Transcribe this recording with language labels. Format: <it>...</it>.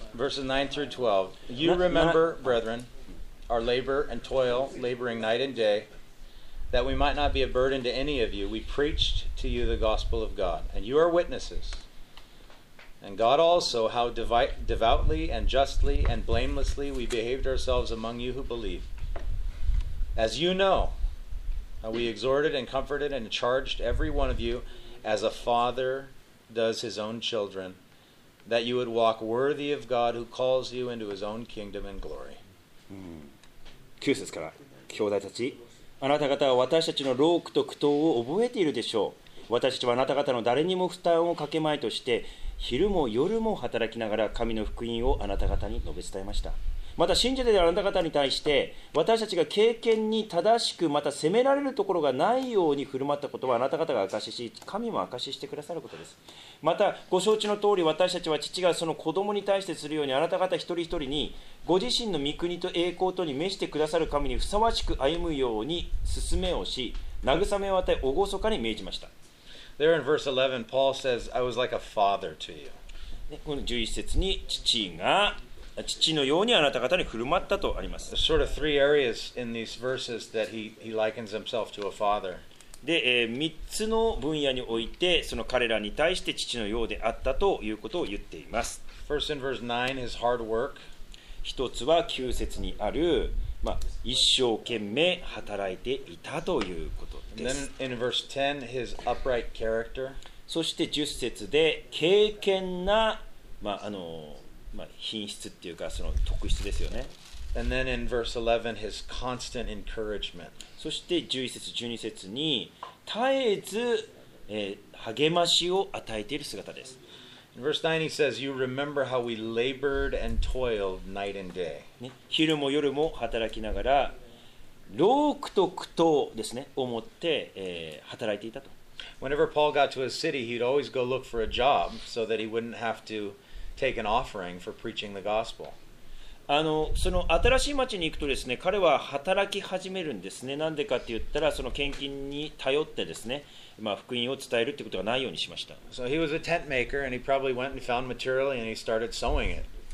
<en>Verses 9 through 12. You remember, brethren, our labor and toil, laboring night and day, that we might not be a burden to any of you. We preached to you the gospel of God, and you are witnesses. And God also, how devoutly and justly and blamelessly we behaved ourselves among you who believe. As you know,we exhorted and comforted and charged every one of you as a father does his own children that you would walk worthy of God who calls you into his own kingdom and glory.、</en> <ja>うん、9節から兄弟たち、あなた方は私たちの労苦と苦闘を覚えているでしょう。私たちはあなた方の誰にも負担をかけまいとして昼も夜も働きながら神の福音をあなた方に述べ伝えました。また信者であなた方に対して私たちが経験に正しくまた責められるところがないように振る舞ったことはあなた方が証しし神も証ししてくださることです。またご承知の通り私たちは父がその子供に対してするようにあなた方一人一人にご自身の御国と栄光とに召してくださる神にふさわしく歩むように進めをし慰めを与え厳かに命じました。</ja> <en>There in verse 11, Paul says, I was like a father to you.</en> <ja>この11節に父が父のようにあなた方に振る舞ったとあります。</ja> <en>There's sort of three areas in these verses that he likens himself to a father.</en> <ja>で、3つの分野において、その彼らに対して父のようであったということを言っています。</ja> <en>First in verse 9, his hard work.</en> <ja>一つは9節にある、まあ、一生懸命働いていたということです。</ja> <en>Then in verse 10, his upright character.</en> <ja>そして10節で敬虔な、まあ、品質っていうかその特質ですよね。</ja> <en>And then in verse 11, his constant encouragement.</en> <ja>そして11節、12節に絶えず、励ましを与えている姿です。</ja> <en>In verse 9, he says, You remember how we labored and toiled night and day.、</en> <ja>ね、昼も夜も働きながら、労苦と苦闘ですね、思って、働いていたと。 Whenever Paul got to a city, he'd always go look for a job so that he wouldn't have to take an offering for preaching the gospel. その新しい町に行くとですね、彼は働き始めるんですね。なんでかって言ったら、その献金に頼ってですね、まあ、福音を伝えるってことがないようにしました。</ja> <en>So he was a tent maker and he probably went and found material and he started sewing it.</en>